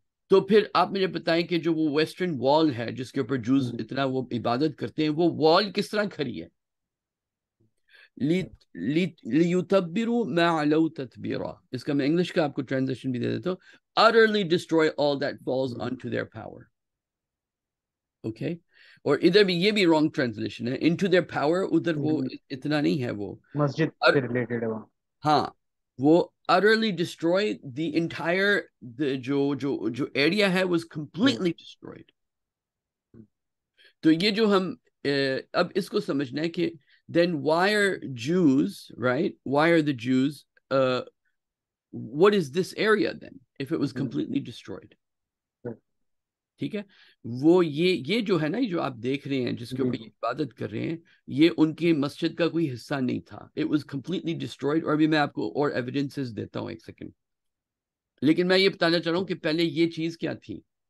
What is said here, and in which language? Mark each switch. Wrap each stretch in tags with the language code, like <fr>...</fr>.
<ur>تو پھر آپ مجھے بتائیں کہ جو وہ ویسٹرن وال ہے جس کے اوپر جوز اتنا وہ عبادت کرتے ہیں، وہ وال کس طرح کھڑی ہے؟</ur> <ar>لِيُتَبِّرُوا مَا عَلَوْا تَتْبِيرًا،</ar> <ur>اس کا میں انگلش کا آپ کو ٹرانزیشن بھی دے دیتا ہوں،</ur> <en>utterly destroy all that falls onto their power.</en> <ur>Okay, اور ادھر بھی یہ بھی رانگ ٹرانزیشن ہے،</ur> <en>into their power</en> <ur>ادھر وہ اتنا نہیں ہے، وہ مسجد سے ریلیٹڈ ہے. ہاں، وہ</ur> <en>utterly destroy the entire</en> <ur>جو ایریا ہے</ur> <en>was completely destroyed.</en> <ur>تو یہ جو ہم اب اس کو سمجھنا ہے کہ</ur> <en>then why are Jews, right? Why are the Jews, what is this area then, if it was completely destroyed?</en> <ur>ٹھیک ہے، وہ یہ جو ہے نا، یہ جو آپ دیکھ رہے ہیں جس کے اوپر عبادت کر رہے ہیں، یہ ان کے مسجد کا کوئی حصہ نہیں تھا،</ur> <en>it was completely destroyed.</en> <ur>اور ابھی میں آپ کو اور ایویڈنسز دیتا ہوں ایک سیکنڈ، لیکن میں یہ بتانا چاہ رہا ہوں کہ پہلے یہ چیز کیا تھی.</ur>